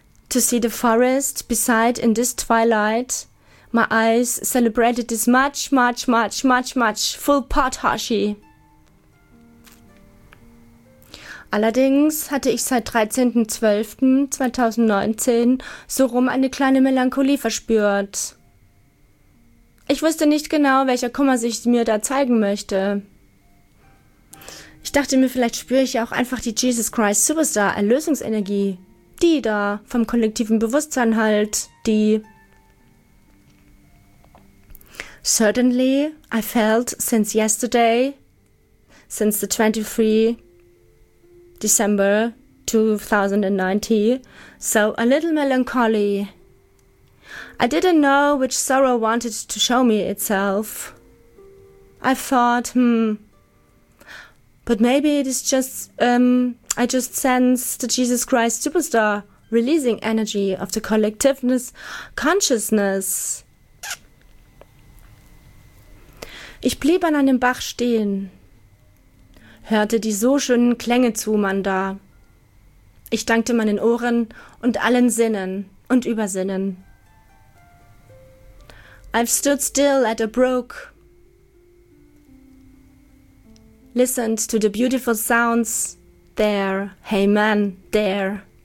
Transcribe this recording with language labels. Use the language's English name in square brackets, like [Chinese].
[English] To see the forest beside in this twilight, my eyes celebrated this much, much, much, much, much full pot hoshi. [German] Allerdings hatte ich seit 13.12.2019 so rum eine kleine Melancholie verspürt. Ich wusste nicht genau, welcher Kummer sich mir da zeigen möchte. Ich dachte mir, vielleicht spüre ich ja auch einfach die Jesus Christ Superstar Erlösungsenergie. Die da, vom kollektiven Bewusstsein halt, die... [English] Certainly, I felt since yesterday, since the 23 December 2019, so a little melancholy. I didn't know which sorrow wanted to show me itself. I thought, but maybe it is just, I just sense the Jesus Christ Superstar releasing energy of the collectiveness consciousness. [German] Ich blieb an einem Bach stehen, hörte die so schönen Klänge zu, man da. Ich dankte meinen Ohren und allen Sinnen und Übersinnen. [English] I've stood still at a brook, listened to the beautiful sounds there, hey man, there.